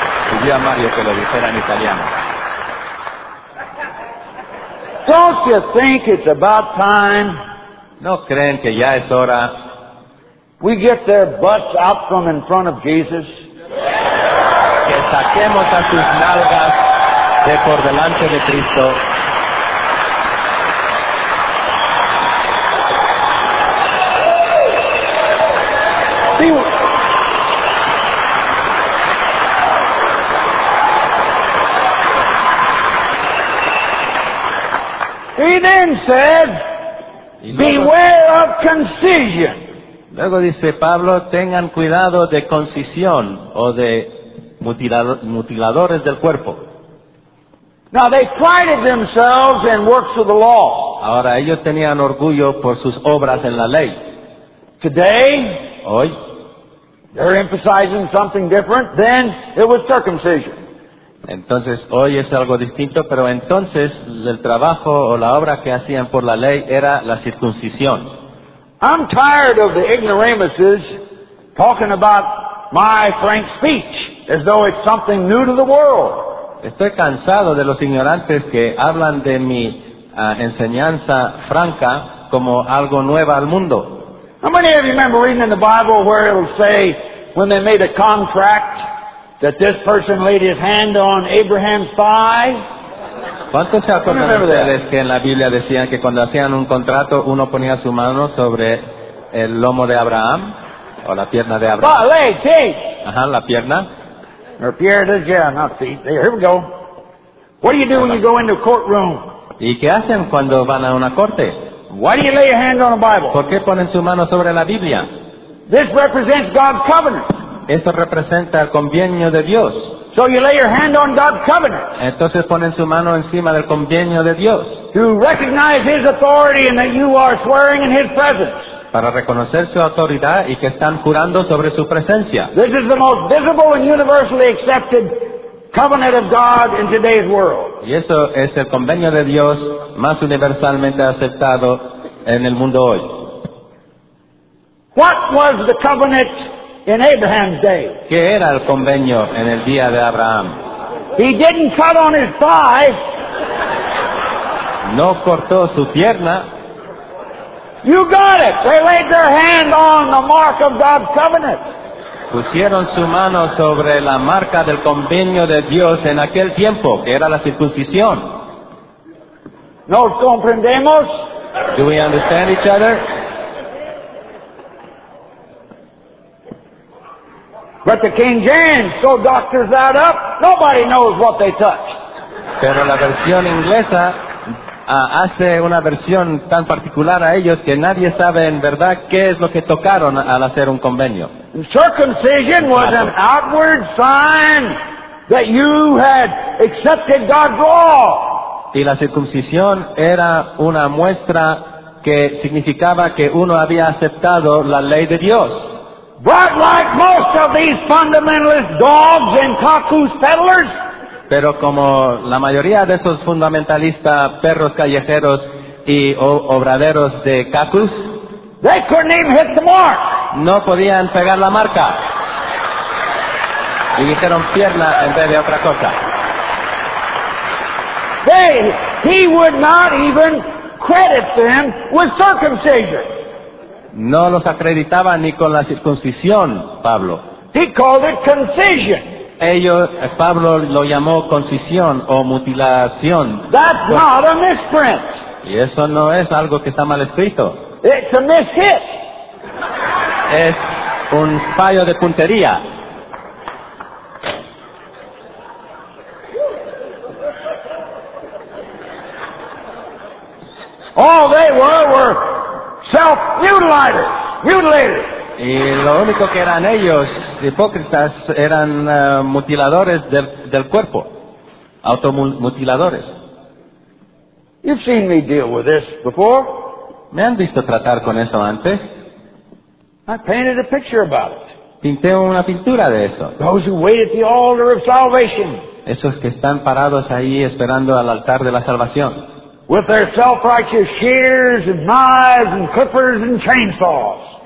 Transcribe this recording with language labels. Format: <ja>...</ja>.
<es>Pidió a Mario que lo dijera en italiano.</es> <en>Don't you think it's about time?</en> <es>¿No creen que ya es hora?</es> <en>We get their butts out from in front of Jesus.</en> <es>Que saquemos a sus nalgas de por delante de Cristo.</es> <en>He then said, beware of concision.</en> <es>Luego dice Pablo, tengan cuidado de concisión o de mutiladores del cuerpo.</es> <en>Now they prided themselves in works of the law.</en> <es>Ahora ellos tenían orgullo por sus obras en la ley.</es> <en>Today,</en> <es>hoy,</es> <en>they're emphasizing something different. Then it was circumcision.</en> <es>Entonces hoy es algo distinto, pero entonces el trabajo o la obra que hacían por la ley era la circuncisión.</es> <en>I'm tired of the ignoramuses talking about my frank speech as though it's something new to the world.</en> <es>Estoy cansado de los ignorantes que hablan de mi enseñanza franca como algo nuevo al mundo.</es> <en>How many of you remember reading in the Bible where it'll say when they made a contract that this person laid his hand on Abraham's thigh?</en> <es>¿Cuántos se acuerdan de ustedes que en la Biblia decían que cuando hacían un contrato uno ponía su mano sobre el lomo de Abraham o la pierna de Abraham?</es> <en>Oh, leg, feet.</en> <es>Ajá, la pierna.</es> <en>Or Pierre does, yeah, not feet. Here we go. What do you do when you go into a courtroom?</en> <es>¿Y qué hacen cuando van a una corte?</es> <en>Why do you lay your hand on a Bible?</en> <es>¿Por qué ponen su mano sobre la Biblia?</es> <en>This represents God's covenant.</en> <es>Esto representa el convenio de Dios.</es> <en>So you lay your hand on God's covenant.</en> <es>Entonces ponen su mano encima del convenio de Dios.</es> <en>To recognize His authority and that you are swearing in His presence.</en> <es>Para reconocer su autoridad y que están jurando sobre su presencia.</es> <en>This is the most visible and universally accepted covenant of God in today's world.</en> <es>Y eso es el convenio de Dios más universalmente aceptado en el mundo hoy.</es> <en>What was the covenant in Abraham's day?</en> <es>¿Qué era el convenio en el día de Abraham?</es> <en>He didn't cut on his thigh.</en> <es>No cortó su pierna.</es> <en>You got it. They laid their hand on the mark of God's covenant.</en> <es>Pusieron su mano sobre la marca del convenio de Dios en aquel tiempo, que era la circuncisión. ¿Nos comprendemos?</es> <en>Do we understand each other? But the King James so doctors that up, nobody knows what they touched.</en> <es>Pero la versión inglesa hace una versión tan particular a ellos que nadie sabe en verdad qué es lo que tocaron al hacer un convenio.</es> <en>Circumcision was an outward sign that you had accepted God's law.</en> <es>Y la circuncisión era una muestra que significaba que uno había aceptado la ley de Dios.</es> <en>But like most of these fundamentalist dogs and cuckoos peddlers,</en> <es>pero como la mayoría de esos fundamentalistas perros callejeros y obraderos de cuckoos,</es> <en>they couldn't even hit the mark.</en> <es>No podían pegar la marca. Y dijeron pierna en vez de otra cosa.</es> <en>He would not even credit them with circumcision.</en> <es>No los acreditaba ni con la circuncisión, Pablo.</es> <en>He called it concision.</en> <es>Pablo lo llamó concisión o mutilación.</es> <en>That's not a misprint.</en> <es>Y eso no es algo que está mal escrito.</es> <en>It's a mishit.</en> <es>Es un fallo de puntería.</es> <en>All they were self-mutilators, mutilators.</en> <es>Y lo único que eran ellos, hipócritas, eran mutiladores del cuerpo, automutiladores.</es> <en>You've seen me deal with this before.</en> <es>¿Me han visto tratar con eso antes?</es> <en>I painted a picture about it.</en> <es>Pinté una pintura de eso.</es> <en>Those who wait at the altar of salvation.</en> <es>Esos que están parados ahí esperando al altar de la salvación.</es> <en>With their self-righteous shears and knives and clippers and chainsaws.</en>